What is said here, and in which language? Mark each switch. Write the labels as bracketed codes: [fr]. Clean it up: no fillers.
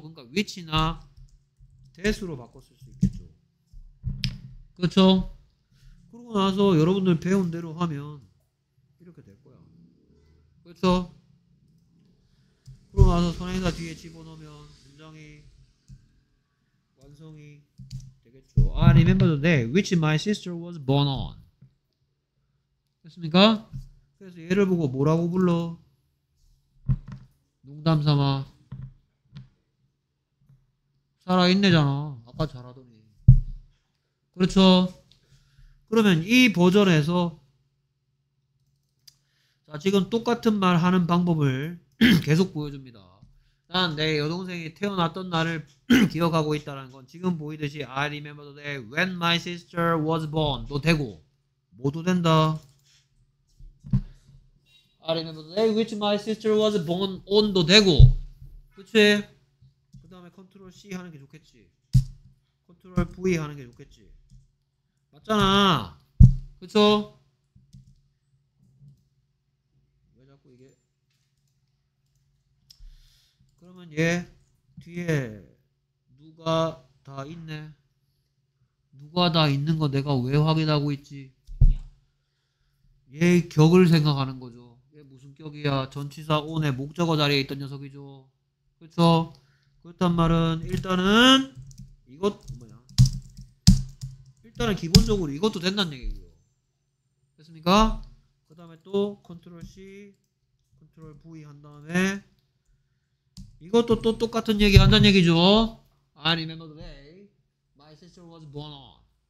[ko] 그러니까 which나 that으로 바꿨을 수 있겠죠. 그렇죠? 그러고 나서 여러분들 배운 대로 하면 이렇게 될 거야. 그렇죠? 그러고 나서 선행사 뒤에 집어넣으면 문장이 완성이 되겠죠. [en] I remember the day which my sister was born on. [ko] 됐습니까? 그래서 얘를 보고 뭐라고 불러? 농담 삼아. 살아있네잖아. 아까 잘하더니. 그렇죠. 그러면 이 버전에서 자 지금 똑같은 말 하는 방법을 계속 보여줍니다. 난 내 여동생이 태어났던 날을 기억하고 있다는 건 지금 보이듯이 [en] I remember the day when my sister was born [ko] 도 되고 모두 된다. [en] I remember the day which my sister was born on [ko] 도 되고 그치? 그 다음에 컨트롤 C 하는 게 좋겠지. 컨트롤 V 하는 게 좋겠지. 맞잖아. 그쵸? 왜 자꾸 이게 그러면 얘 뒤에 누가 다 있네. 누가 다 있는 거 내가 왜 확인하고 있지? 얘 격을 생각하는 거죠. 격이야. 전치사 on의 목적어 자리에 있던 녀석이죠. 그렇죠? 그렇단 말은 일단은 이것 뭐야? 일단은 기본적으로 이것도 된다는 얘기고요. 됐습니까? 그 다음에 또 컨트롤 C, 컨트롤 V 한 다음에 이것도 또 똑같은 얘기 한다는 얘기죠. [en] I remember the day my sister was born on.